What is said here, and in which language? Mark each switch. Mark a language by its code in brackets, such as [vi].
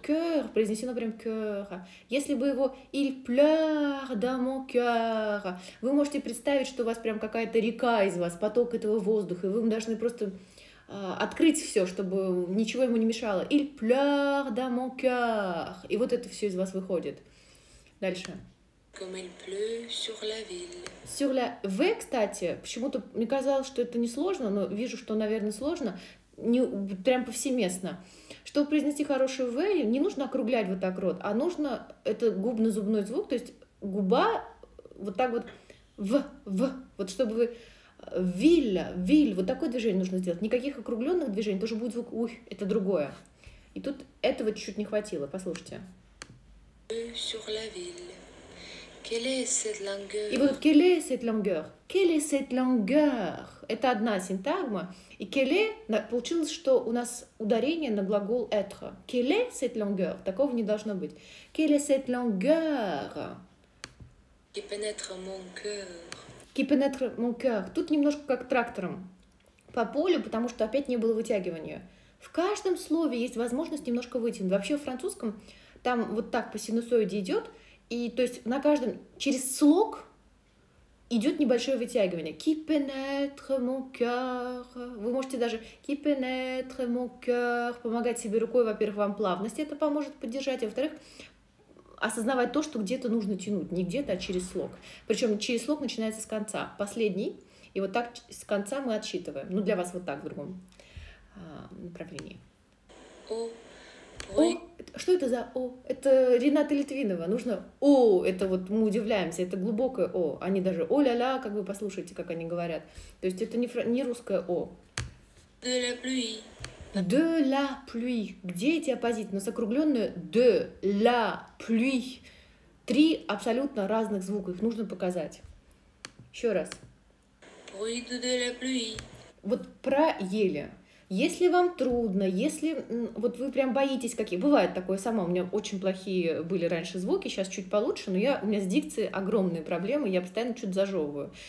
[ru] Cœur, произнесено прям cœur. Если бы его [fr] il pleure dans mon cœur, [ru] вы можете представить, что у вас прям какая-то река из вас, поток этого воздуха, и вы должны просто открыть все, чтобы ничего ему не мешало. [fr] Il pleure dans mon cœur. [ru] И вот это все из вас выходит. Дальше. [fr] Comme il pleut sur la ville. Sur la... [ru] V, кстати, почему-то мне казалось, что это несложно, но вижу, что, наверное, сложно, не... прям повсеместно. Чтобы произнести хорошую V, не нужно округлять вот так рот, а нужно, это губно-зубной звук, то есть губа вот так вот в, вот чтобы вы вилля, виль, вот такое движение нужно сделать. Никаких округленных движений, тоже будет звук ух, это другое. И тут этого чуть-чуть не хватило, послушайте. [fr] Sur la ville. Quelle est cette langueur? [ru] И вот [fr] quelle est cette langueur? Quelle est cette langueur? [ru] Это одна синтагма. И quelle, получилось, что у нас ударение на глагол être. [fr] Quelle est cette langueur? [ru] Такого не должно быть. [fr] Quelle est cette langueur? Qui pénètre mon cœur? Qui pénètre mon cœur? [ru] Тут немножко как трактором по полю, потому что опять не было вытягивания. В каждом слове есть возможность немножко вытянуть. Вообще в французском там вот так по синусоиде идет. И то есть на каждом через слог идет небольшое вытягивание. [fr] Qui pénètre mon cœur. [ru] Вы можете даже [fr] qui pénètre mon cœur [ru] помогать себе рукой, во-первых, вам плавность это поможет поддержать, а во-вторых, осознавать то, что где-то нужно тянуть, не где-то, а через слог. Причем через слог начинается с конца, последний, и вот так с конца мы отсчитываем. Ну для вас вот так в другом направлении. О, что это за «о»? Это Рената Литвинова. Нужно «о», это вот мы удивляемся, это глубокое «о». Они даже «о-ля-ля», как вы послушаете, как они говорят. То есть это не русское «о». [fr] «De la pluie». «De la pluie». [ru] Где эти оппозиты? Но сокругленное [fr] «de la pluie». [ru] Три абсолютно разных звука, их нужно показать. Еще раз. [fr] «Bruit de la pluie». [ru] Вот про «еле». Если вам трудно, если вот вы прям боитесь, какие... Бывает такое сама, у меня очень плохие были раньше звуки, сейчас чуть получше, но у меня с дикцией огромные проблемы, я постоянно чуть зажевываю.